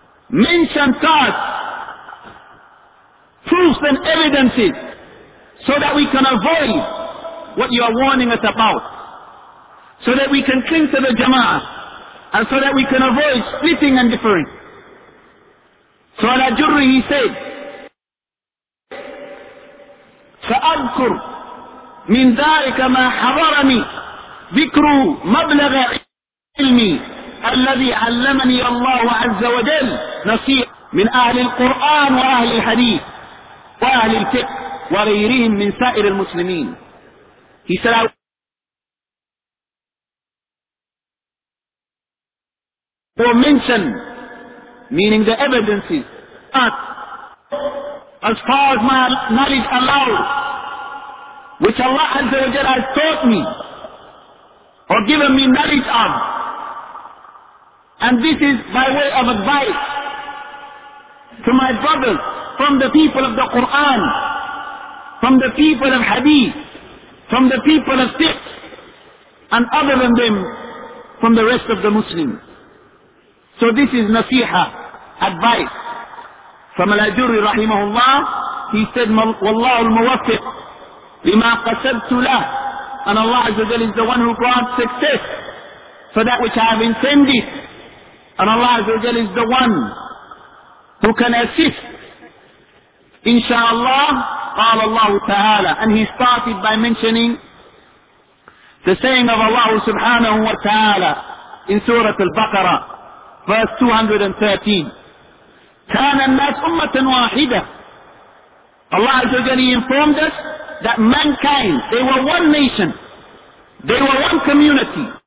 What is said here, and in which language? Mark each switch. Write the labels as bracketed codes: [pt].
[en] Mention to us proofs and evidences so that we can avoid what you are warning us about, so that we can cling to the jama'ah, and so that we can avoid splitting and differing. So Ala Jurri, he said, [ar] فَأَذْكُرْ مِنْ ذَٰلِكَ مَا حَضَرَنِي ذِكْرُ مَبْلَغَ عِلْمِي الَّذِي عَلَّمَنِي اللَّهُ عَزَّ وَجَلْ نَصِيحًا مِنْ أَهْلِ الْقُرْآنِ وَأَهْلِ الْحَدِيثِ وَأَهْلِ الْفِقْهِ وَغَيْرِهِمْ مِنْ سَائِرِ الْمُسْلِمِينَ. [en] He said, or mention, meaning the evidences, but as far as my knowledge allows, which Allah Azza wa Jalla has taught me, or given me knowledge of, and this is by way of advice to my brothers from the people of the Quran, from the people of Hadith, from the people of Fiqh, and other than them, from the rest of the Muslims. So this is nasiha, advice. From Al-Ajuri rahimahullah, he said, [ar] وَاللَّهُ الْمُوَفِّقُ لِمَا قَسَدْتُ لَهُ. [en] And Allah Azza wa Jal is the one who grants success for that which I have intended. And Allah Azza wa Jal is the one who can assist. [ar] Insha'Allah, قال الله تعالى. [en] And he started by mentioning the saying of Allah subhanahu wa ta'ala in Surah Al-Baqarah, verse 213. [ar] كان الناس أمة واحدة. [en] Allah Azza wa Jalla informed us that mankind, they were one nation, they were one community.